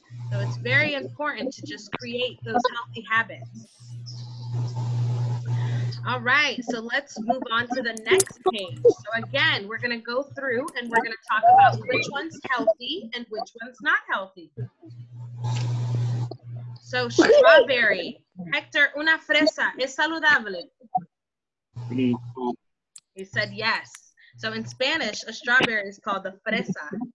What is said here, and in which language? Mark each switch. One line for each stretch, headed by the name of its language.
English: So it's very important to just create those healthy habits. All right, so let's move on to the next page. So again, we're gonna go through and we're gonna talk about which one's healthy and which one's not healthy. So strawberry,
Spanish: Hector, una fresa, ¿es saludable?
English: He said yes. So in Spanish, a strawberry is called the fresa.